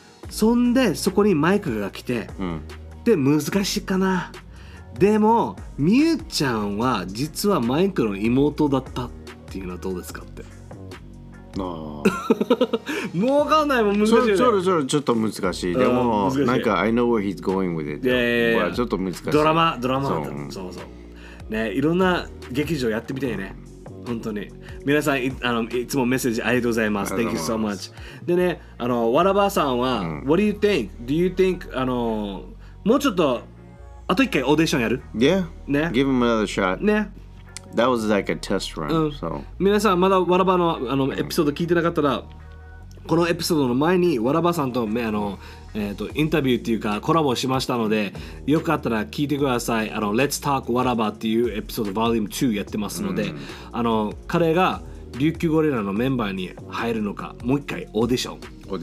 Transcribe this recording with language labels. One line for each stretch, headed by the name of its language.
Japanese: そんでそこにマイクが来て、うん、で難しいかな。でもミュウちゃんは実はマイクの妹だったっていうのはどうですかって。あもう分かんないもん難しいよね。ちょっと難しいでも難しい。
English: なんか I know where he's going with it、
Japanese: ちょっと難しい。ドラマドラマだった。そうそう、ね、いろんな劇場やってみたいね、うん、本当に皆さん いつもメッセージありがとうございます。
English: Thank you so much。
Japanese: でね、わらばさんは、うん、
English: What do you think? Do you think、
Japanese: もうちょっとあと一回オーディションやる？
English: Yeah、
Japanese: ね、
English: Give him another shot、
Japanese: ね、
English: That was like a test run、うん、so.
Japanese: 皆さんまだわらば あのエピソード聞いてなかったら、このエピソードの前にわらばさんと、インタビューっていうかコラボしましたので、よかったら聞いてください。あの Let's Talk What About っていうエピソードボリューム2やってますので、うん、あの彼が琉球ゴリラのメンバーに入るのか、もう一回オーディション